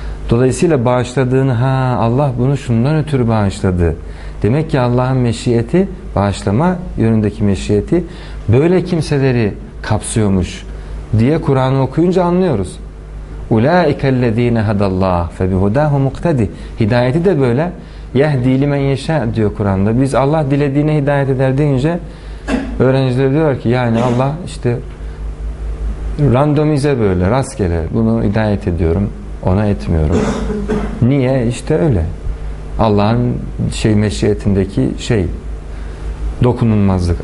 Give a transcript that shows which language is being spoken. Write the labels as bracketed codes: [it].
[tr] Dolayısıyla bağışladığını, ha Allah bunu şundan ötürü bağışladı. Demek ki Allah'ın meşiyeti, bağışlama yönündeki meşiyeti böyle kimseleri kapsıyormuş diye Kur'an'ı okuyunca anlıyoruz. [ar] اُولَٰئِكَ الَّذ۪ينَ هَدَ اللّٰهُ فَبِهُدَاهُ مُقْتَدِ. [tr] Hidayeti de böyle. [ar] يَهْد۪ي لِمَنْ يَشَٰ [tr] diyor Kur'an'da. Biz Allah dilediğine hidayet eder deyince öğrenciler diyor ki yani Allah işte randomize böyle, rastgele bunu hidayet ediyorum, ona etmiyorum. Niye? İşte öyle. Allah'ın şey meşiyetindeki şey dokunulmazlık.